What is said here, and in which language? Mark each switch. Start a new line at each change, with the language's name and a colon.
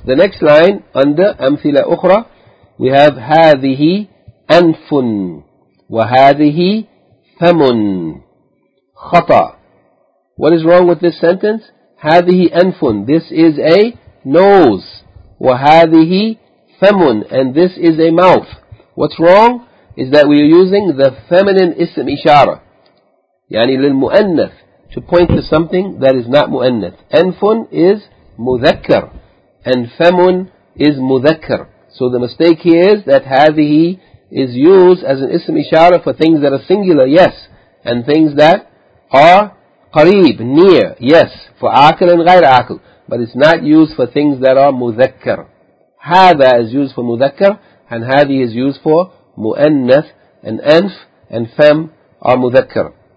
English: The next line under amthila ukhra, we have
Arabic: هذه أنف وهذه فم خطأ.
English: What is wrong with this sentence?
Arabic: هذه أنف.
English: This is a nose.
Arabic: وَهَذِهِ فَمٌ,
English: and this is a mouth. What's wrong is that we are using the feminine ism ishara.
Arabic: يعني للمؤنث,
English: to point to something that is not مؤنث. أنفٌ is مذكر, and فَمٌ is مذكر. So the mistake here is that هَذِهِ is used as an ism ishara for things that are singular, yes, and things that are قريب, near, yes, for عاقل and غير عاقل. But it's not used for things that are مذكر. هذا is used for مذكر, and هذه is used for مؤنث, and أنف and فم are مذكر.